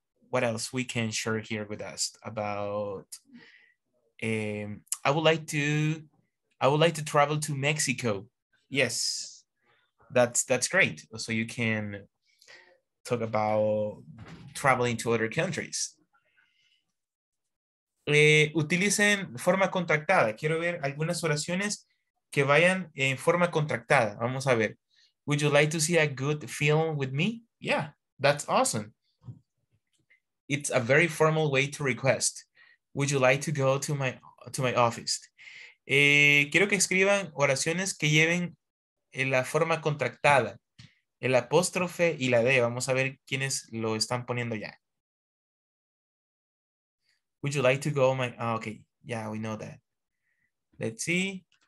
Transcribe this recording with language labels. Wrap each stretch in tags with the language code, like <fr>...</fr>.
<en>What else we can share here with us about? I would like to travel to Mexico. Yes, that's great. So you can talk about traveling to other countries.</en> <es>Utilicen forma contractada. Quiero ver algunas oraciones que vayan en forma contractada. Vamos a ver.</es> <en>Would you like to see a good film with me? Yeah, that's awesome. It's a very formal way to request. Would you like to go to my office?</en> <es>Quiero que escriban oraciones que lleven en la forma contractada, el apóstrofe y la D. Vamos a ver quiénes lo están poniendo ya.</es> <en>Would you like to go my... Oh, okay, yeah, we know that. Let's see.</en>